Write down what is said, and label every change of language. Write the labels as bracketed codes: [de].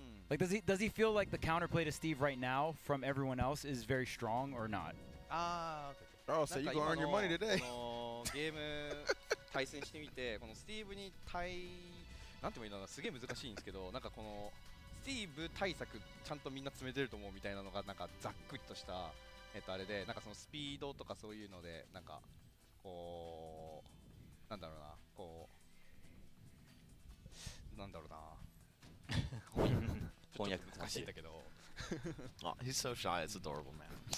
[en] Like, does he feel like the counterplay to Steve right now from everyone else is very strong or not? Oh, so you're going to earn your money today. Game. [ja] 対戦してみて、このスティーブに対なんて言うのかな、すげえ難しいんですけど、なんかこのスティーブ対策ちゃんとみんな詰めてると思うみたいなのがなんかざっくりとしたあれで、なんかそのスピードとかそういうのでなんかこうなんだろうな、こうなんだろうな、翻訳難しいんだけど。 [en] あ、oh, he's so shy, it's adorable, man.